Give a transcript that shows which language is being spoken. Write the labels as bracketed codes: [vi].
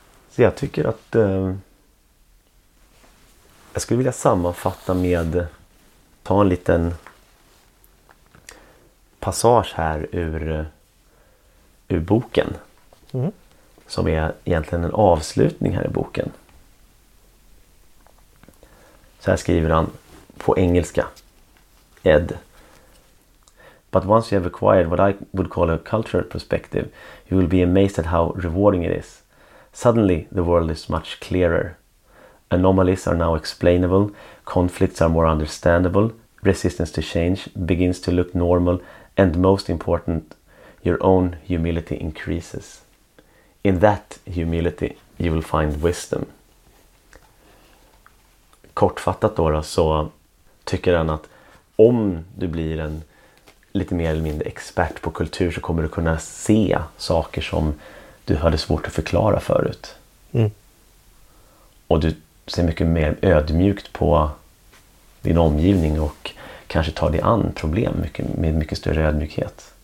[sv] Så jag tycker att jag skulle vilja sammanfatta med ta en liten passage här ur boken. Mm. Som är egentligen en avslutning här i boken. Så här skriver han på engelska. [en] Ed: "But once you have acquired what I would call a cultural perspective, you will be amazed at how rewarding it is. Suddenly the world is much clearer. Anomalies are now explainable, conflicts are more understandable, resistance to change begins to look normal, and most important, your own humility increases. In that humility, you will find wisdom." [sv] Kortfattat då, så tycker han att om du blir en lite mer eller mindre expert på kultur så kommer du kunna se saker som du hade svårt att förklara förut. Mm. Och du ser mycket mer ödmjukt på din omgivning och kanske tar dig an problem med mycket större ödmjukhet.